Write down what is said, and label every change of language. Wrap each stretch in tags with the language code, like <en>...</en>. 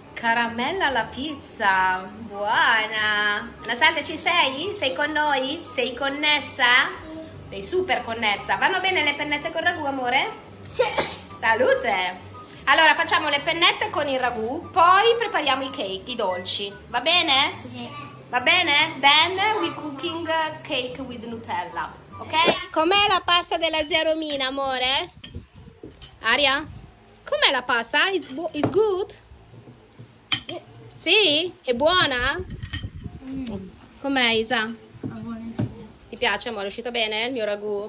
<it>Caramella alla pizza, buona! Anastasia, ci sei? Sei con noi? Sei connessa? Sì. Sei super connessa. Vanno bene le pennette con ragù, amore? Sì. Salute! Allora, facciamo le pennette con il ragù, poi prepariamo i cake, i dolci. Va bene? Sì. Va bene?</it> <en>Then we cooking cake with Nutella, ok?</en> <it>Com'è la pasta della zia Romina, amore? Aria? Com'è la pasta?</it> <en>It's good?</en> <it>Sì? È buona? Com'è Isa? Ti piace amore? È uscito bene il mio ragù?</it>